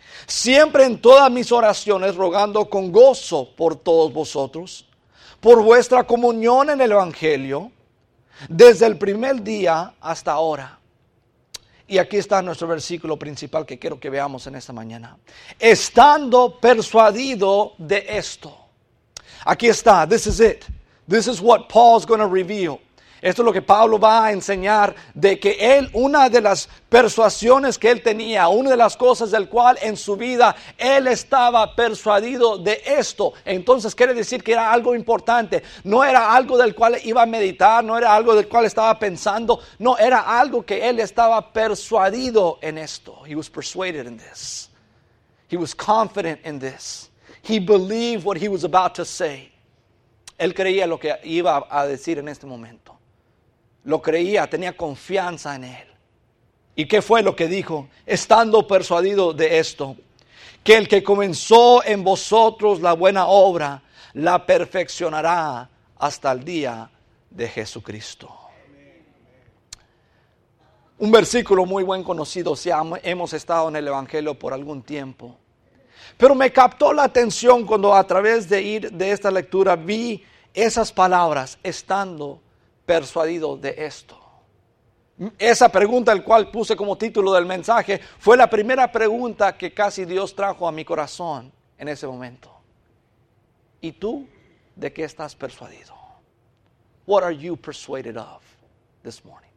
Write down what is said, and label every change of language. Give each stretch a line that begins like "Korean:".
Spanish: Siempre en todas mis oraciones rogando con gozo por todos vosotros, por vuestra comunión en el evangelio, desde el primer día hasta ahora. Y aquí está nuestro versículo principal que quiero que veamos en esta mañana. Estando persuadido de esto. Aquí está,
English: this is it. This is what Paul's going to reveal.
Spanish: Esto es lo que Pablo va a enseñar, de que él, una de las persuasiones que él tenía, una de las cosas del cual en su vida él estaba persuadido de esto. Entonces quiere decir que era algo importante, no era algo del cual iba a meditar, no era algo del cual estaba pensando, no, era algo que él estaba persuadido en esto.
English: He was persuaded in this. He was confident in this. He believed what he was about to say.
Spanish: Él creía lo que iba a decir en este momento. Lo creía, tenía confianza en él. ¿Y qué fue lo que dijo? Estando persuadido de esto, que el que comenzó en vosotros la buena obra, la perfeccionará hasta el día de Jesucristo. Un versículo muy buen conocido, si hemos estado en el evangelio por algún tiempo. Pero me captó la atención cuando a través de ir de esta lectura vi esas palabras, estando persuadido de esto. Esa pregunta, el cual puse como título del mensaje, fue la primera pregunta que casi Dios trajo a mi corazón en ese momento. ¿Y tú de qué estás persuadido?
English: What are you persuaded of this morning?